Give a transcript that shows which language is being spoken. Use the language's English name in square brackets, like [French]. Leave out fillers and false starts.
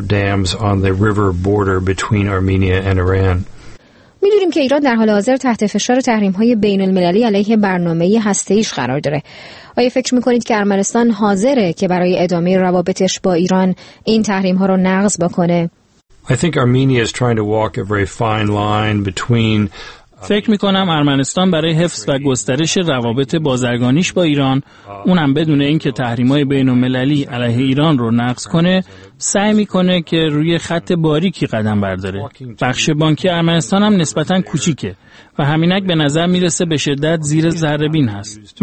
[Persian] هستند. می‌دونیم که ایران در حال حاضر تحت فشار تحریم‌های بین‌المللی علیه برنامه هسته‌ایش قرار داره. آیا فکر می‌کنید که ارمنستان حاضره که برای ادامه روابطش با ایران این تحریم‌ها رو نقض بکنه؟ [English] I think Armenia is trying to walk a very fine line between [Persian] فکر می‌کنم ارمنستان برای حفظ و گسترش روابط بازرگانیش با ایران، اونم بدون اینکه تحریم‌های بین‌المللی علیه ایران رو نقض کنه، سعی می‌کنه که روی خط باریکی قدم برداره. بخش بانکی ارمنستان هم نسبتاً کوچیکه و همینک به نظر می‌رسه به شدت زیر ذره بین هست.